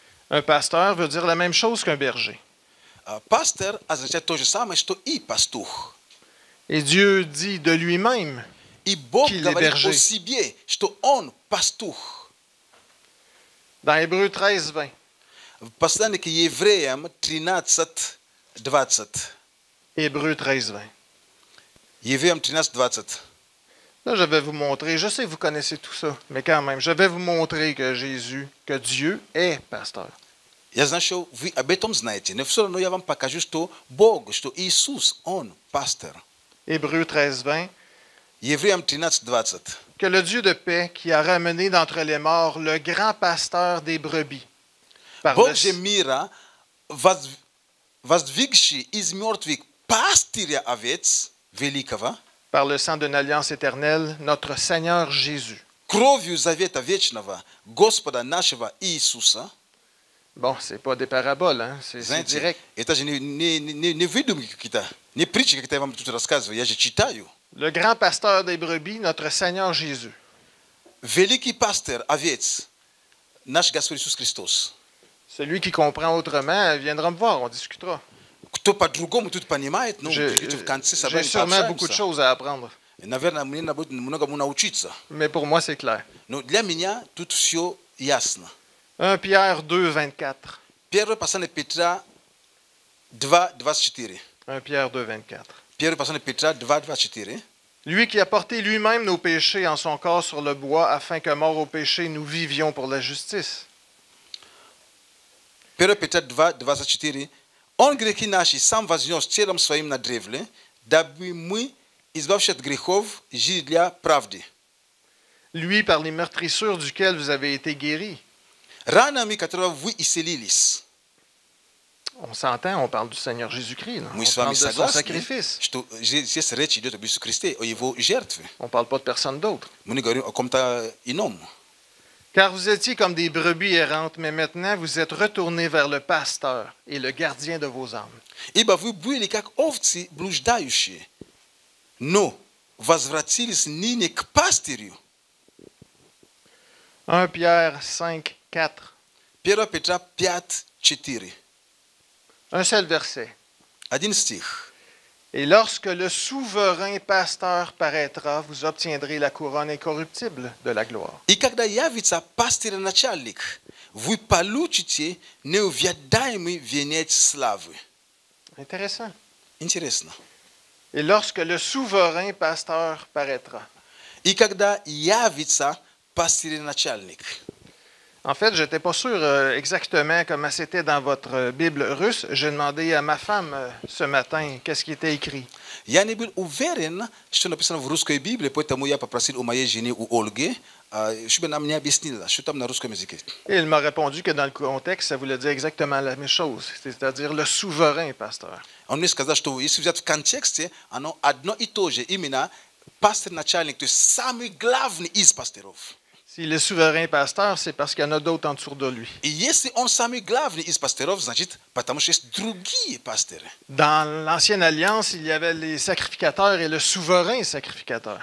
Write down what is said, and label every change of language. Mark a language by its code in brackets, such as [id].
[fr] Un pasteur veut dire la même chose qu'un berger. [ru] Пастор означает то же самое, что и пастух. [fr] Et Dieu dit de lui-même. Et Bob qui l'hébergeait aussi bien. Je te honne, pasteur. Dans Hébreux 13, 20. [ru] Послание к евреям 13:20. [fr] Hébreux 13:20. [ru] Евреям 13:20. [fr] Là, je vais vous montrer, je sais que vous connaissez tout ça, mais quand même, je vais vous montrer que Jésus, que Dieu est pasteur. [ru] Я знаю, что вы об этом знаете, но всё равно я вам покажу, что Бог, что Иисус, он пастор. [fr] Hébreux 13:20. [ru] Евреям 13:20. [fr] Que le Dieu de paix qui a ramené d'entre les morts le grand pasteur des brebis. [ru] Боже мира, воздвигший из мертвых пастыря овец великого. [fr] Par le sang d'une alliance éternelle, notre Seigneur Jésus. [ru] Кровью завета вечного, Господа нашего Иисуса. [fr] Bon, ce n'est pas des paraboles, hein? c'est direct. [ru] Это же не выдумки какие-то, не притчи, как я вам тут рассказываю, я же читаю. [fr] Le grand pasteur des brebis, notre Seigneur Jésus. [ru] Великий пастор овец, наш Господь Иисус Христос. [fr] Celui qui comprend autrement viendra me voir, on discutera. [ru] Кто по-другому тут понимает, но в конце собой пообщаемся. [fr] J'ai sûrement beaucoup de choses à apprendre. [ru] Наверное, мне надо будет многому научиться. [fr] Mais pour moi, c'est clair. [ru] Но для меня тут все ясно. [fr] 1 Pierre 2, 24. [ru] Первое послание Петра 2, 24. [fr] 1 Pierre 2, 24. [ru] Первое послание Петра 2, 24. [fr] Lui qui a porté lui-même nos péchés en son corps sur le bois, afin que mort au péché, nous vivions pour la justice. [ru] 1 Петра 2, 24. Он грехи наши сам вознес телом своим на древле, дабы мы, избавшись от грехов, жили для правды. [fr] Lui, par les meurtrissures duquel vous avez été guéris. [ru] Ранами, которого вы исцелились. [fr] On s'entend, on parle du Seigneur Jésus-Christ. [ru] Мы с вами согласны, что речь идет об Иисусе Христе, о Его жертве. [fr] On parle pas de personne d'autre. [ru] Мы не говорим о ком-то ином. [fr] Car vous étiez comme des brebis errantes, mais maintenant vous êtes retournés vers le pasteur et le gardien de vos âmes. [ru] Ибо вы были как овцы блуждающие, но возвратились ныне к пастырю. [fr] 1 Pierre 5, 4. [ru] Первое Петра 5, 4. [fr] Un seul verset. [ru] Один стих. [fr] Et lorsque le souverain pasteur paraîtra, vous obtiendrez la couronne incorruptible de la gloire. [ru] И когда явится пастыреначальник, вы получите неувядаемый венец славы. [fr] Intéressant. [ru] Интересно. [fr] Et lorsque le souverain pasteur paraîtra. [ru] И когда явится пастыреначальник. [fr] En fait, je n'étais pas sûr exactement comment c'était dans votre Bible russe. J'ai demandé à ma femme ce matin qu'est-ce qui était écrit. [ru] Я не был уверен, что написано в русской Библии, поэтому я попросил у моей жены, у Ольги, чтобы она мне объяснила, что там на русском языке. [fr] Et il m'a répondu que dans le contexte, ça voulait dire exactement la même chose, c'est-à-dire le souverain pasteur. [ru] Он мне сказал, что если взять в контексте, оно одно и то же, именно пастыреначальник, то есть самый главный из пастыров. [fr] Si le souverain pasteur, c'est parce qu'il y en a d'autres autour de lui. [ru] И если он самый главный из пастыров, значит, потому что есть другие пастыры. [fr] Dans l'ancienne alliance, il y avait les sacrificateurs et le souverain sacrificateur.